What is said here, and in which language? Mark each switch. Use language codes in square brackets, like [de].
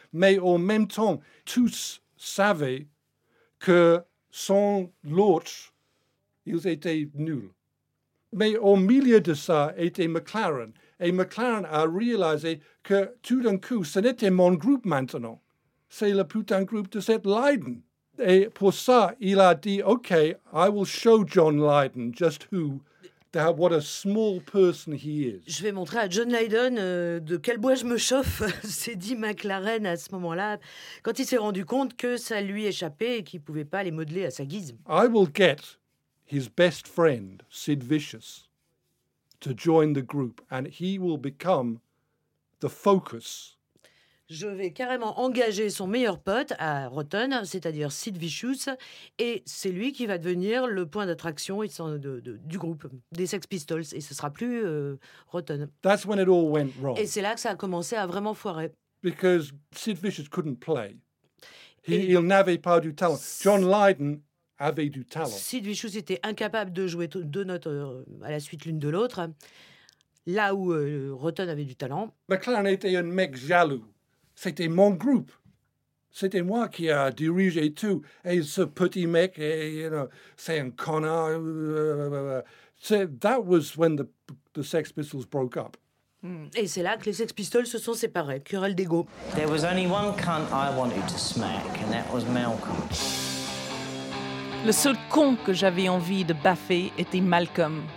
[fr] Mais en même temps, tous savaient que sans l'autre, ils étaient nuls. Mais au milieu de ça était McLaren. Et McLaren a réalisé que tout d'un coup, ce n'était mon groupe maintenant. C'est le putain groupe de cette Lydon. Et pour ça, il a dit, [en] OK, I will show John Lydon just who, that what a small person he is. [fr] Je vais montrer à John Lydon de quel bois je me chauffe, s'est dit McLaren à ce moment-là, quand il s'est rendu compte que ça lui échappait et qu'il ne pouvait pas les modeler à sa guise. [en] I will get his best friend, Sid Vicious, to join the group, and he will become the focus. [fr] Je vais carrément engager son meilleur pote à Rotten, c'est-à-dire Sid Vicious, et c'est lui qui va devenir le point d'attraction du groupe, des Sex Pistols, et ce ne sera plus Rotten. [en] That's when it all went wrong. [fr] Et c'est là que ça a commencé à vraiment foirer. [en] Because Sid Vicious couldn't play. [fr] Il n'avait pas du talent. John Lydon avait du talent. Sid Vicious était incapable de jouer deux notes à la suite l'une de l'autre, là où Rotten avait du talent. McLaren était un mec jaloux. C'était mon groupe. C'était moi qui a dirigé tout. Et ce petit mec, c'est un connard. [en] That was when the Sex Pistols broke up. [fr] Et c'est là que les Sex Pistols se sont séparés. Querelle d'ego. [en] There was only one cunt I wanted to smack, and that was Malcolm. [fr] Le seul con que j'avais envie de baffer était Malcolm.